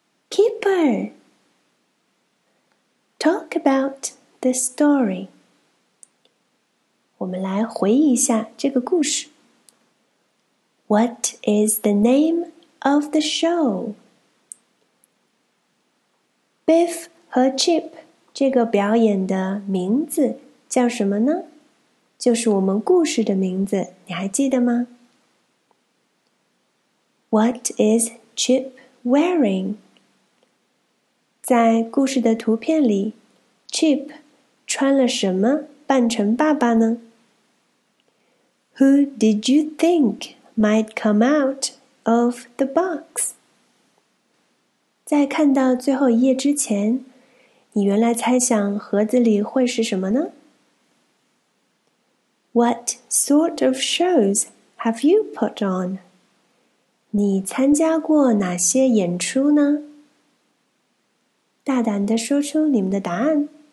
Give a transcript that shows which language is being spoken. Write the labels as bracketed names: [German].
[English] Kipper, talk about the story. [Chinese] 我们来回忆一下这个故事。 [English] What is the name of the show? [Chinese] Biff 和 Chip 这个表演的名字叫什么呢？就是我们故事的名字，你还记得吗？ [English] What is Chip wearing? [Chinese] 在故事的图片里 ，Chip 穿了什么扮成爸爸呢 ？ [English] Who did you think might come out of the box？ [Chinese] 在看到最后一页之前，你原来猜想盒子里会是什么呢 ？ [English] What sort of shows have you put on？ [Chinese] 你参加过哪些演出呢？大胆地说出你们的答案。